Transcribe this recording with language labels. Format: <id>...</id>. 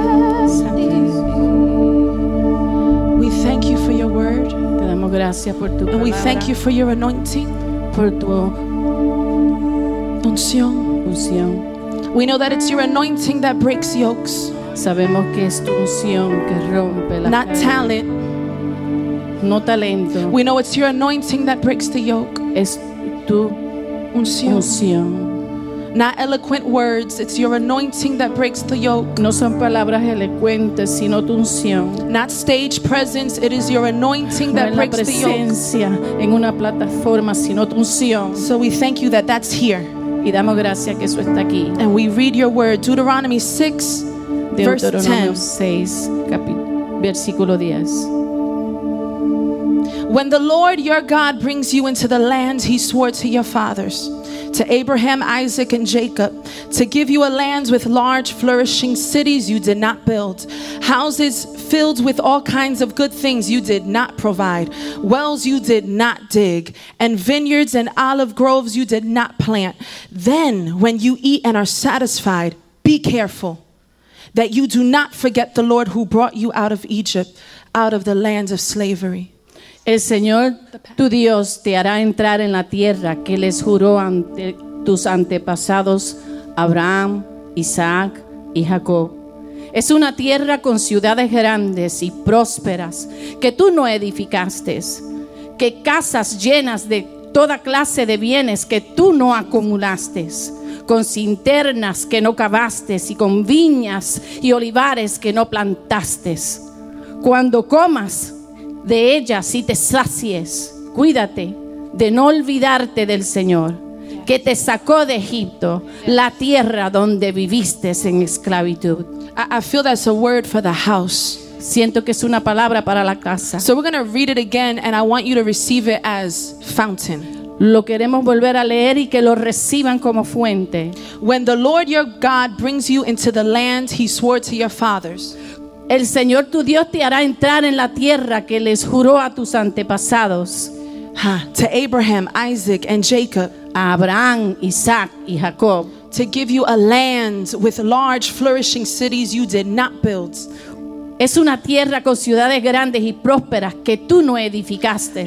<en>We thank you for your word.</en> <es>Te damos gracias por tu palabra.</es> <en>And we thank you for your anointing.</en> <es>Por tu unción. Unción.</es> <en>We know that it's your anointing that breaks yokes.</en> <es>Sabemos que es tu unción que rompe la</es> <en>not</en> <es>cadena.</es> <en>Talent.</en> <es>No talento.</es> <en>We know it's your anointing that breaks the yoke.</en> <es>Es tu unción. Unción.</es> <en>Not eloquent words, it's your anointing that breaks the yoke.</en> <es>No son palabras elocuentes, sino tu unción.</es> <en>Not stage presence, it is your anointing that breaks the yoke.</en> <es>No es la presencia en una plataforma, sino tu unción.</es> <en>So we thank you that that's here.</en> <es>Y damos gracias que eso está aquí.</es> <en>And we read your word, Deuteronomy 6.</en> <es>Deuteronomio 6, versículo 10.</es> <en>When the Lord your God brings you into the land he swore to your fathers, to Abraham, Isaac, and Jacob, to give you a land with large flourishing cities you did not build, houses filled with all kinds of good things you did not provide, wells you did not dig, and vineyards and olive groves you did not plant. Then when you eat and are satisfied, be careful that you do not forget the Lord who brought you out of Egypt, out of the land of slavery.</en> <es>El Señor, tu Dios, te hará entrar en la tierra que les juró ante tus antepasados, Abraham, Isaac y Jacob. Es una tierra con ciudades grandes y prósperas que tú no edificaste, que casas llenas de toda clase de bienes que tú no acumulaste, con cisternas que no cavaste y con viñas y olivares que no plantaste. Cuando comas de ella, si te sacies, cuídate de no olvidarte del Señor, que te sacó de Egipto, la tierra donde viviste en esclavitud.</es> <en>I feel that's a word for the house.</en> <es>Siento que es una palabra para la casa.</es> <en>So we're going to read it again, and I want you to receive it as fountain.</en> <es>Lo queremos volver a leer y que lo reciban como fuente.</es> <en>When the Lord your God brings you into the land he swore to your fathers.</en> <es>El Señor tu Dios te hará entrar en la tierra que les juró a tus antepasados.</es> <en>To Abraham, Isaac, and Jacob.</en> <es>A Abraham, Isaac, y Jacob.</es> <en>To give you a land with large flourishing cities you did not build.</en> <es>Es una tierra con ciudades grandes y prósperas que tú no edificaste.</es>